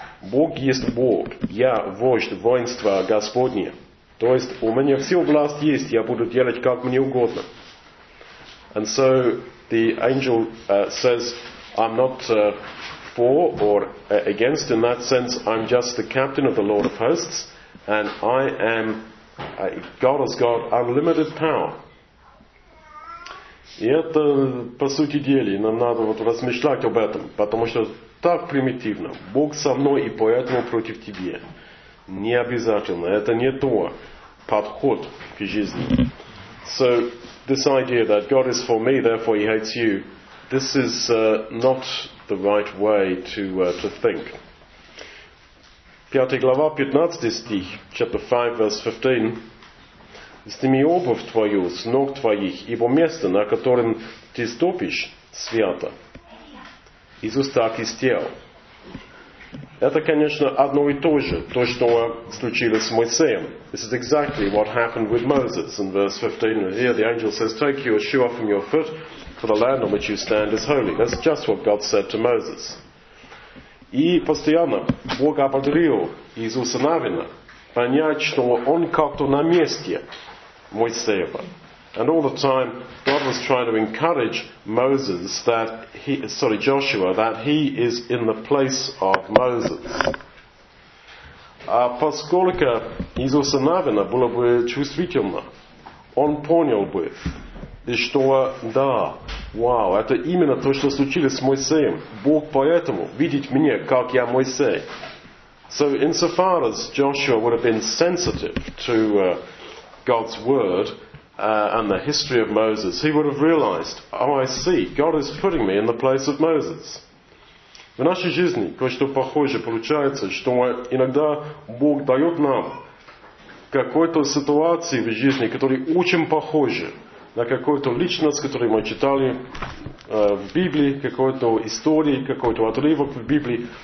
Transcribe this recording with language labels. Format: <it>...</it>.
<ru>Бог есть Бог. Я вождь воинства Господня. То есть у меня всю власть есть. Я буду делать как мне угодно.</ru> <en>And so the angel says, I'm not for or against in that sense. I'm just the captain of the Lord of hosts. And I am God has got unlimited power.</en> <ru>И это, по сути дела, нам надо вот размышлять об этом, потому что так примитивно. Бог со мной и поэтому против тебя. Не обязательно. Это не то подход к жизни.</ru> <en>So, this idea that God is for me, therefore he hates you, this is not the right way to think.</en> <ru>5 глава, 15 стих,</ru> <en>chapter 5, verse 15.</en> <ru>«Сними обувь твою с ног твоих, ибо место, на котором ты ступишь, свято». Иисус так и сделал. Это, конечно, одно и то же, то, что случилось с Моисеем.</ru> <en>This is exactly what happened with Moses in verse 15. And here the angel says, take your shoe off from your foot, for the land on which you stand is holy. That's just what God said to Moses.</en> <ru>И постоянно Бог ободрил Иисуса Навина понять, что он как-то на месте Моисеева.</ru> <en>And all the time, God was trying to encourage Moses that he, sorry, Joshua, that he is in the place of Moses.</en> <ru>Поскольку Иисуса Навина было бы чувствительно, он понял бы, что да, вау, это именно то, что случилось с Моисеем. Бог поэтому видит меня, как я Моисей.</ru> <en>So insofar as Joshua would have been sensitive to God's word, and the history of Moses, he would have realized, oh, I see, God is putting me in the place of Moses.</en> <ru>В нашей жизни кое-что похожее получается, что иногда Бог дает нам какую-то ситуацию в жизни, которая очень похожа на какую-то личность, которую мы читали в Библии, какую-то историю, какой-то отрывок в Библии.</ru>